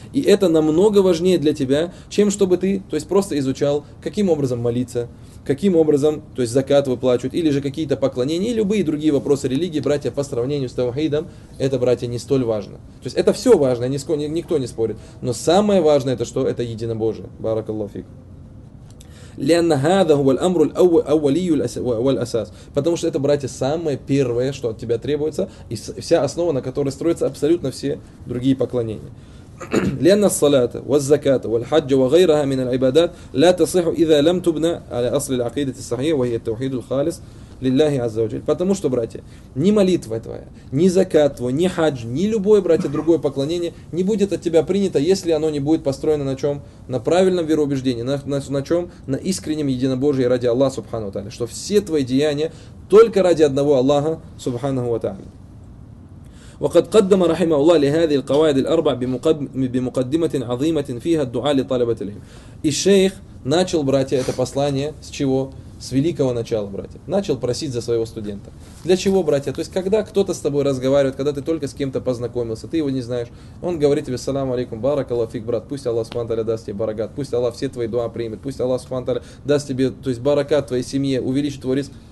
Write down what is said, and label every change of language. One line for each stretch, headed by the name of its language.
Russian: И это намного важнее для тебя, чем чтобы ты, то есть, просто изучал, каким образом молиться, каким образом, то есть, закат выплачивают, или же какие-то поклонения, и любые другие вопросы религии, братья, по сравнению с таухидом, это, братья, не столь важно. То есть, это все важно, никто не спорит. Но самое важное, это что? Это единобожие. Баракаллаху фик.
Arabic: لأن هذا هو الأمر الأولي والأساس.
Russian: Потому что это, братья, самое первое, что от тебя требуется, и вся основа, на которой строятся абсолютно все другие поклонения.
Arabic: لأن الصلاة والزكاة والحج وغيرها من العبادات لا تصح إذا لم تبنى على أصل العقيدة الصحيحة وهي التوحيد الخالص لله عز وجل.
Russian: Потому что, братья, ни молитва твоя, ни закат твой, ни хадж, ни любое, братья, другое поклонение не будет от тебя принято, если оно не будет построено на чем? На правильном вероубеждении, на чем? На искреннем единобожии ради Аллаха Субхану Тааля. Что все твои деяния только ради одного Аллаха Субхану Тааля.
Arabic: وقد قدم رحمه الله لهذه القواعد الأربع بمقدمة عظيمة فيها الدعاء لطلبة العلم.
Russian: И шейх начал, братья, это послание с чего? С великого начала, братья. Начал просить за своего студента. Для чего, братья? То есть, когда кто-то с тобой разговаривает, когда ты только с кем-то познакомился, ты его не знаешь, он говорит тебе: «Саламу алейкум, баракаллах фик, брат, пусть Аллах субхану тааля даст тебе баракат, пусть Аллах все твои дуа примет, пусть Аллах субхану тааля даст тебе, то есть, баракат твоей семье, увеличит твой риск».